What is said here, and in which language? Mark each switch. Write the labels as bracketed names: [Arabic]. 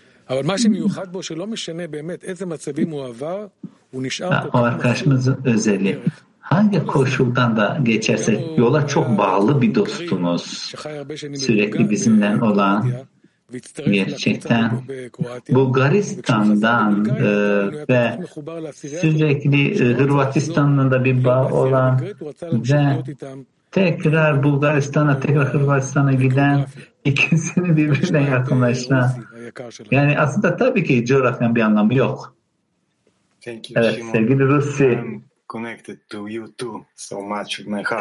[Hebrew] אבל מה שמיוחד בו, שלא משנה באמת איזה מצבים הוא עבר, הוא נשאר פה. הוא הרגש מזלי. [Turkish] Hangi koşuldan da geçerse yola çok bağlı bir dostunuz. Sürekli bizimden olan gerçekten Bulgaristan'dan ve sürekli Hırvatistan'la da bir bağ olan ve tekrar Bulgaristan'a, tekrar Hırvatistan'a giden ikisini birbirine yakınlaştıran. Yani aslında tabii ki coğrafyanın bir anlamı yok. Evet, sevgili Rusi. [English] Connected to you too so much with my heart.